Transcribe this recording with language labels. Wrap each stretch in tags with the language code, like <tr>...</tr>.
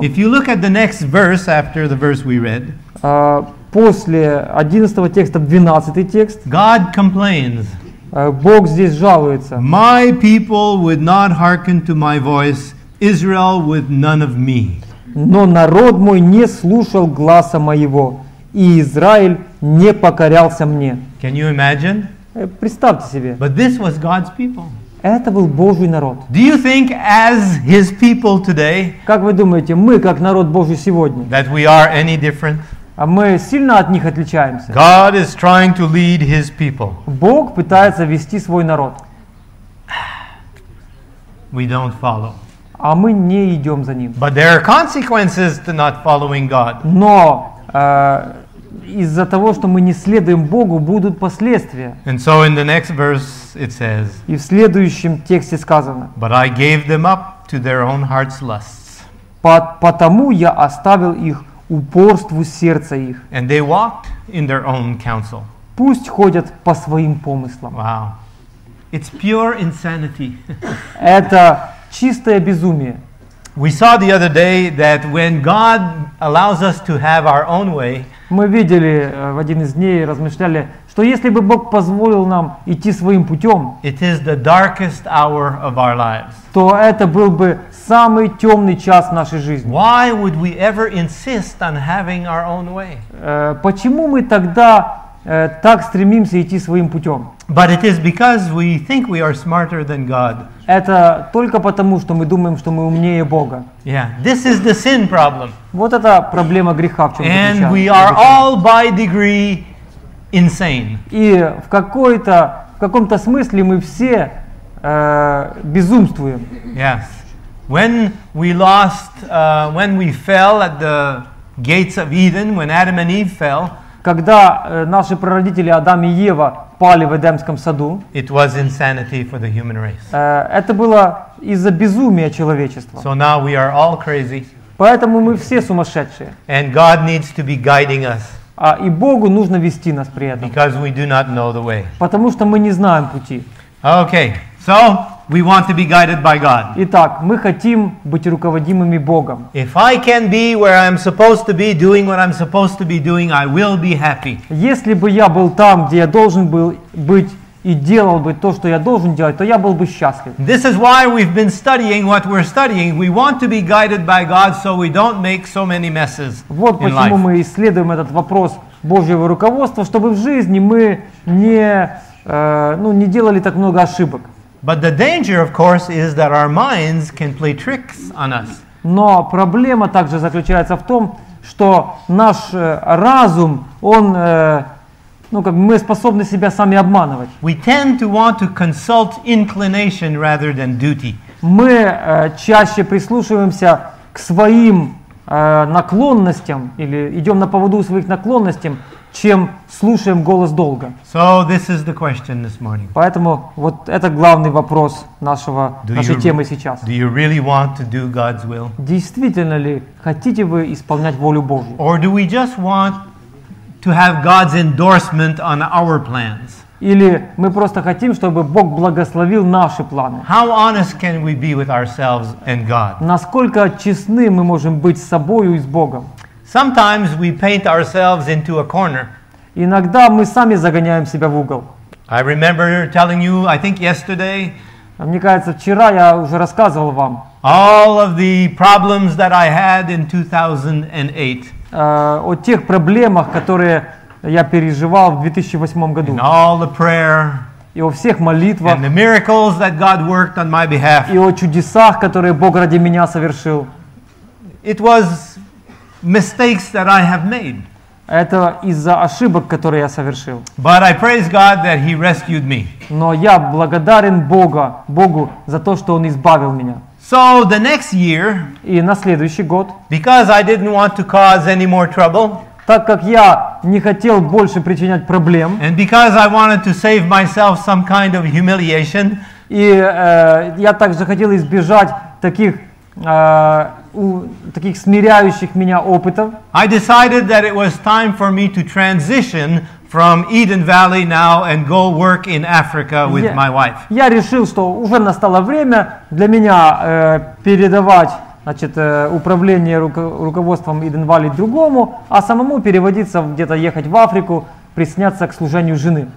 <en>If you look at the next verse after the verse we read.</en> <ru>После 11 текста 12 текст.</ru> <en>God complains.</en> <ru>Бог здесь жалуется.</ru> <en>My people would not hearken to my voice, Israel with none of me.</en> <ru>Но народ мой не слушал гласа моего, и Израиль не покорялся мне.</ru> <en>Can you imagine?</en> <ru>Представьте себе.</ru> <en>But this was God's people.</en> <ru>Это был Божий народ.</ru> <en>Do you think as his people today?</en> <ru>Как вы думаете, мы как народ Божий сегодня?</ru> <en>That we are any different?</en> <ru>А мы сильно от них отличаемся?</ru> <en>God is trying to lead his people.</en> <ru>Бог пытается вести свой народ.</ru> <en>We don't follow.</en> <ru>А мы не идем за ним.</ru> <en>But there are consequences to not following God.</en> <ru>Но из-за того, что мы не следуем Богу, будут последствия.</ru> <en>And so in the next verse it says,</en> <ru>и в следующем тексте сказано,</ru> <en>but I gave them up to their own heart's lusts.</en> <ru>Потому я оставил их упорству сердца их.</ru> <en>And they walked in their own counsel.</en> <ru>Пусть ходят по своим помыслам.</ru> <en>Wow. It's pure insanity.</en> <ru>Это чистое безумие.</ru> <en>We saw the other day that when God allows us to have our own way,</en> <ru>мы видели в один из дней, размышляли, что если бы Бог позволил нам идти своим путем,</ru> <en>it is the darkest hour of our lives,</en> <ru>то это был бы самый темный час нашей жизни.</ru> <en>Why would we ever insist on having our own way?</en> <ru>Почему мы тогда так стремимся идти своим путем?</ru> <en>But it is because we think we are smarter than God.</en> <ru>Это только потому, что мы думаем, что мы умнее Бога.</ru> <en>Yeah, this is the sin problem.</en> <ru>Вот это проблема греха в чем заключается.</ru> <en>And we are all by degree insane.</en> <ru>И в каком-то смысле мы все безумствуем.</ru> <en>Yes. When we lost, when we fell at the gates of Eden, when Adam and Eve fell.</en> <ru>Когда наши прародители Адам и Ева пали в Эдемском саду,</ru> <en>it was insanity for the human race.</en> <ru>Это было из-за безумия человечества.</ru> <en>So now we are all crazy.</en> <ru>Поэтому мы все сумасшедшие.</ru> <en>And God needs to be guiding us.</en> <ru>И Богу нужно вести нас при этом.</ru> <en>Because we do not know the way.</en> <ru>Потому что мы не знаем пути.</ru> <en>Okay, so we want to be guided by God.</en> <ru>Итак, мы хотим быть руководимыми Богом.</ru> <en>If I can be where I'm supposed to be, doing what I'm supposed to be doing, I will be happy.</en> <ru>Если бы я был там, где я должен был быть и делал бы то, что я должен делать, то я был бы счастлив.</ru> <en>This is why we've been studying what we're studying. We want to be guided by God so we don't make so many messes.</en> <ru>Вот почему мы исследуем этот вопрос Божьего руководства, чтобы в жизни мы не не делали так много ошибок.</ru> <en>But the danger, of course, is that our minds can play tricks on us.</en> <ru>Но проблема также заключается в том, что наш разум, он, мы способны себя сами обманывать.</ru> <en>We tend to want to consult inclination rather than duty.</en> <ru>Мы чаще прислушиваемся к своим наклонностям или идем на поводу своих наклонностей, чем слушаем голос долга.</ru> <en>So this is the question this morning.</en> <ru>Поэтому вот это главный вопрос нашей темы сейчас.</ru> <en>Do you really want to do God's will?</en> <ru>Действительно ли хотите вы исполнять волю Божью?</ru> <en>Or do we just want to have God's endorsement on our plans?</en> <ru>Или мы просто хотим, чтобы Бог благословил наши планы?</ru> <en>How honest can we be with ourselves and God?</en> <ru>Насколько честны мы можем быть с собою и с Богом?</ru> <en>Sometimes we paint ourselves into a corner.</en> <ru>Иногда мы сами загоняем себя в угол.</ru> <en>I remember telling you, I think yesterday.</en> <ru>Мне кажется, вчера я уже рассказывал вам.</ru> <en>All of the problems that I had in 2008.</en> <ru>О тех проблемах, которые я переживал в 2008 году.</ru> <en>And all the prayer.</en> <ru>И о всех молитвах.</ru> <en>And the miracles that God worked on my behalf.</en> <ru>И о чудесах, которые Бог ради меня совершил.</ru> <en>It was mistakes that I have made.</en> <ru>Это из-за ошибок, которые я совершил.</ru> <en>But I praise God that He rescued me.</en> <ru>Но я благодарен Богу за то, что Он избавил меня.</ru> <en>So the next year,</en> <ru>и на следующий год,</ru> <en>because I didn't want to cause any more trouble,</en> <ru>так как я не хотел больше причинять проблем,</ru> <en>and because I wanted to save myself some kind of humiliation,</en> <ru>и я также хотел избежать таких таких смиряющих меня опытов.</ru> <en>I decided that it was time for me to transition from Eden Valley now and go work in Africa with my wife.</en> <ru>Я решил, что уже настало время для меня передавать, управление руководством Eden Valley другому, а самому переводиться где-то ехать в Африку, присняться к служению жены.</ru>